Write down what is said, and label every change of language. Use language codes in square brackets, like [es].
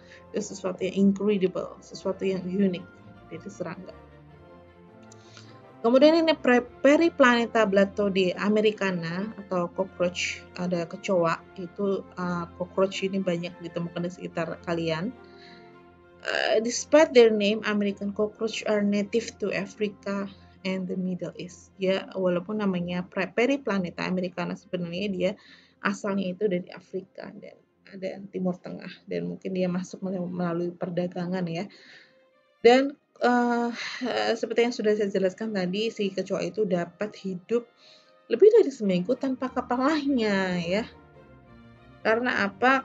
[id] Itu sesuatu yang incredible, sesuatu yang unik dari serangga. Kemudian ini Periplaneta blattodea americana atau cockroach, ada kecoa, itu cockroach ini banyak ditemukan di sekitar kalian. [en] Despite their name, American cockroach are native to Africa and the Middle East. [id] Ya, walaupun namanya Periplaneta americana, sebenarnya dia asalnya itu dari Afrika dan Timur Tengah, dan mungkin dia masuk melalui perdagangan ya. Dan seperti yang sudah saya jelaskan tadi, si kecoa itu dapat hidup lebih dari seminggu tanpa kepalanya ya. Karena apa?